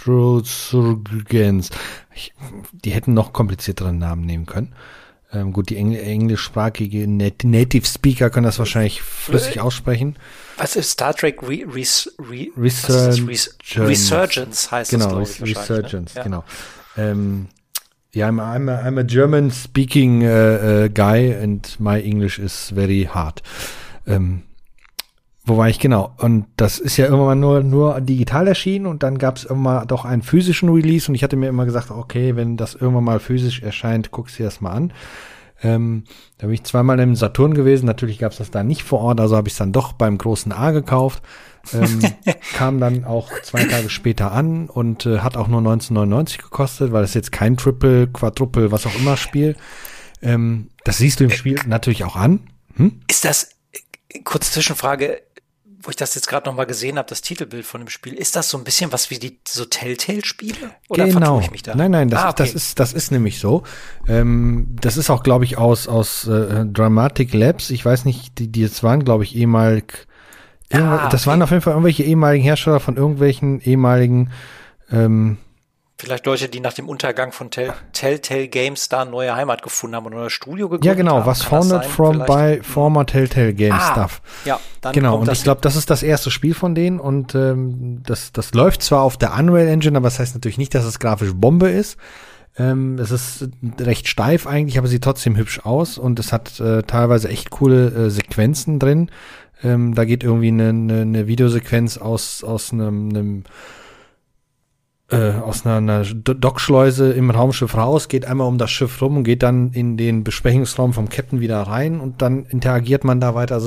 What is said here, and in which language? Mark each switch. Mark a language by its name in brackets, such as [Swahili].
[German] Surgens. Die hätten noch komplizierteren Namen nehmen können. Gut, die englischsprachige Native Speaker können das wahrscheinlich flüssig aussprechen. Was ist Star Trek Resurgence heißt genau, das, glaube ich, Resurgence, ne? Genau. [English] Ja, I'm a German speaking guy and my English is very hard. [German] Wo war ich genau? Und das ist ja irgendwann nur digital erschienen und dann gab es immer doch einen physischen Release und ich hatte mir immer gesagt, okay, wenn das irgendwann mal physisch erscheint, guckst du dir das mal an. Da bin ich zweimal im Saturn gewesen, natürlich gab es das da nicht vor Ort, also habe ich es dann doch beim großen A gekauft. kam dann auch zwei Tage später an und hat auch nur 19,99 gekostet, weil es jetzt kein Triple, Quadruple, was auch immer Spiel. Das siehst du im Spiel natürlich auch an. Hm? Ist das, kurze Zwischenfrage, wo ich das jetzt gerade noch mal gesehen habe, das Titelbild von dem Spiel, ist das so ein bisschen was wie die so Telltale-Spiele? Oder genau. Vertue ich mich da? Nein, das, okay. das ist nämlich so. Das ist auch, glaube ich, aus Dramatic Labs. Ich weiß nicht, die jetzt waren, glaube ich, ehemalig. Das waren auf jeden Fall irgendwelche ehemaligen Hersteller von irgendwelchen ehemaligen Vielleicht Leute, die nach dem Untergang von Telltale Games da eine neue Heimat gefunden haben und ein neues Studio gegründet haben. Ja, genau, [English] was founded from by former Telltale Games Stuff. [German] Ja, dann genau, und ich glaube, das ist das erste Spiel von denen und das läuft zwar auf der Unreal Engine, aber das heißt natürlich nicht, dass es grafisch Bombe ist. Es ist recht steif eigentlich, aber sieht trotzdem hübsch aus und es hat teilweise echt coole Sequenzen drin. Da geht irgendwie eine Videosequenz aus einer Dockschleuse im Raumschiff raus, geht einmal um das Schiff rum und geht dann in den Besprechungsraum vom Captain wieder rein und dann interagiert man da weiter.